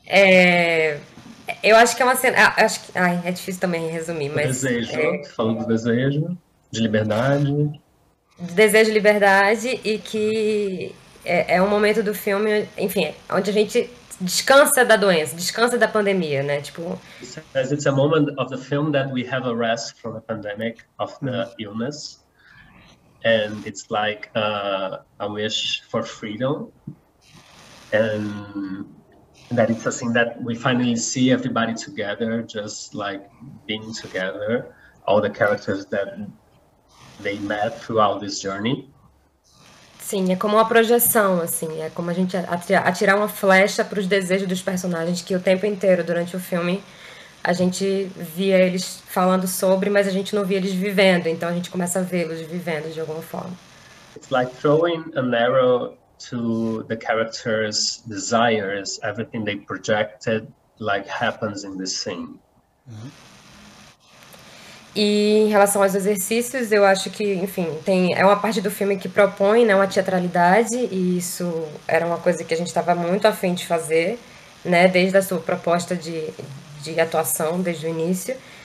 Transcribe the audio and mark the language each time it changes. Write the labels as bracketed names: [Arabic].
[Portuguese] É, eu acho que é uma cena... Acho que, ai, é difícil também resumir, mas... O desejo, falando do desejo, de liberdade. Desejo de liberdade e que é um momento do filme, enfim, onde a gente... Descansa da doença, descansa da pandemia, né? Tipo. [English] Says it's a moment of the film that we have a rest from the pandemic of the illness, and it's like a wish for freedom, and that it's a thing that we finally see everybody together, just like being together, all the characters that they met throughout this journey. [Portuguese] Sim, é como uma projeção, assim, é como a gente atirar uma flecha para os desejos dos personagens, que o tempo inteiro, durante o filme, a gente via eles falando sobre, mas a gente não via eles vivendo, então a gente começa a vê-los vivendo de alguma forma. [English] It's like throwing an arrow to the characters' desires, everything they projected, like, happens in this scene. Uhum. [Portuguese] E em relação aos exercícios, eu acho que, enfim, é uma parte do filme que propõe, né, uma teatralidade, e isso era uma coisa que a gente estava muito afim de fazer, né, desde a sua proposta de atuação, desde o início.